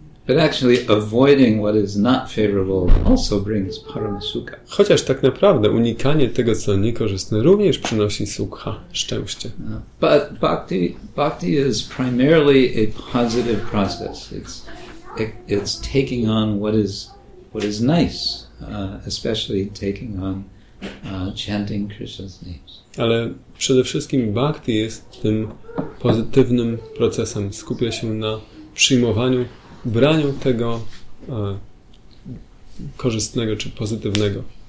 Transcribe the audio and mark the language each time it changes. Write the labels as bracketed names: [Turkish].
[English] But actually avoiding what is not favorable also brings paramasukha. [Polish] Chociaż tak naprawdę unikanie tego, co niekorzystne, również przynosi sukha, szczęście. [English] But bhakti is primarily a positive process. It's taking on what is nice, especially taking on chanting Krishna's names. [Polish] Ale przede wszystkim bhakti jest tym pozytywnym procesem. Skupia się na przyjmowaniu, braniu tego korzystnego czy pozytywnego.